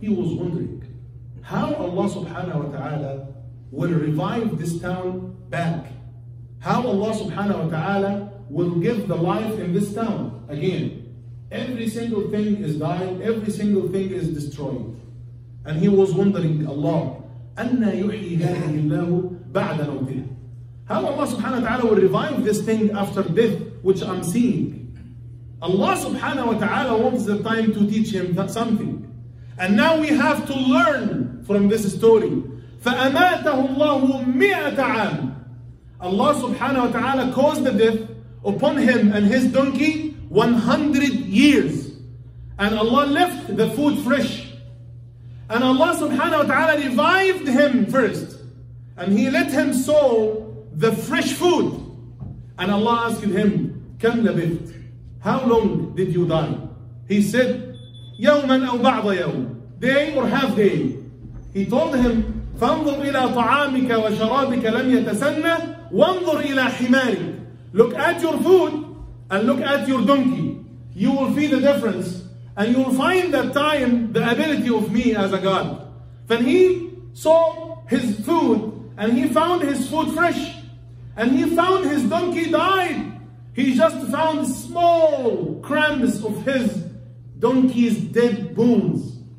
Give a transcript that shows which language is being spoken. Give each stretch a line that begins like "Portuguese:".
English: He was wondering how Allah subhanahu wa ta'ala will revive this town back. How Allah subhanahu wa ta'ala will give the life in this town again. Every single thing is dying, every single thing is destroyed. And he was wondering, Allah,
Arabic: أَنَّا يُحْيِي هَذِهِ اللَّهُ بَعْدَ مَوْتِهِ.
English: How Allah subhanahu wa ta'ala will revive this thing after death, which I'm seeing. Allah subhanahu wa ta'ala wants the time to teach him that something. And now we have to learn from this story.
Arabic: فَأَمَاتَهُ اللَّهُ مِئَةَ عَامٍ.
English: Allah subhanahu wa ta'ala caused the death upon him and his donkey 100 years. And Allah left the food fresh. And Allah subhanahu wa ta'ala revived him first. And he let him saw the fresh food. And Allah asked him,
Arabic: كم لبثت?
English: How long did you die? He said,
Arabic: يوما أو بعض يوم.
English: Day or half day. He told him,
Arabic: فانظر إلى طعامك وشرابك لم يتسنى وانظر إلى حمارك.
English: Look at your food and look at your donkey. You will feel the difference. And you will find that time, the ability of me as a God. Then he saw his food and he found his food fresh. And he found his donkey died. He just found small crumbs of his donkey's dead bones.